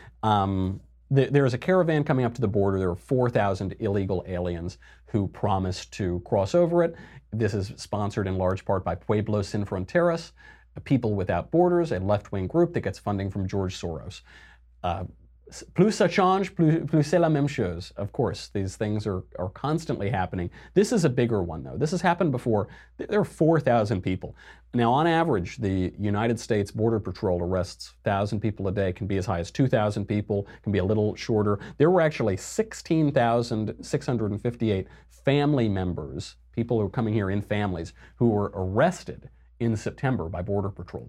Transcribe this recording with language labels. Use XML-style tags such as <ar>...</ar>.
<en>There is a caravan coming up to the border. There are 4,000 illegal aliens who promised to cross over it. This is sponsored in large part by Pueblo Sin Fronteras, People Without Borders, a left-wing group that gets funding from George Soros.</en> <fr>Plus ça change, plus c'est la même chose.</fr> <en>Of course, these things are constantly happening. This is a bigger one, though. This has happened before. There are 4,000 people. Now, on average, the United States Border Patrol arrests 1,000 people a day, can be as high as 2,000 people, can be a little shorter. There were actually 16,658 family members, people who are coming here in families, who were arrested in September by Border Patrol.</en>